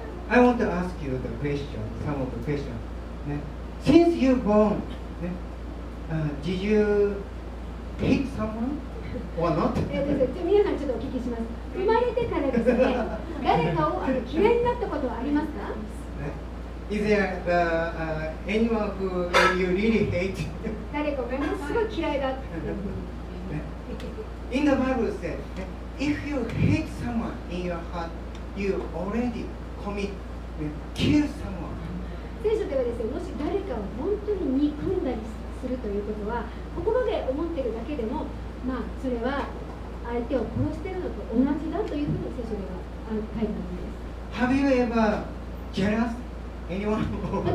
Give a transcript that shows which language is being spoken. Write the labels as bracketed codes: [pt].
[en] I want to ask you the question, some of the question.、ね、Since you born,、ね did you hit someone or not? [ja] じゃあ皆さんちょっとお聞きします。生まれてからですね、誰かを嫌いになったことはありますか？ [en] Is there anyone who you really hate? [ja] 誰かがものすごい嫌いだって [en] 。In the Bible said, if you hate someone in your heart, you already commit, kill someone. [ja] 聖書ではですね、もし誰かを本当に憎んだりするということは、心で思っているだけでも、まあ、それは相手を殺しているのと同じだというふうに聖書では書いてあるんです。 [en] Have you ever jealous? Anyone?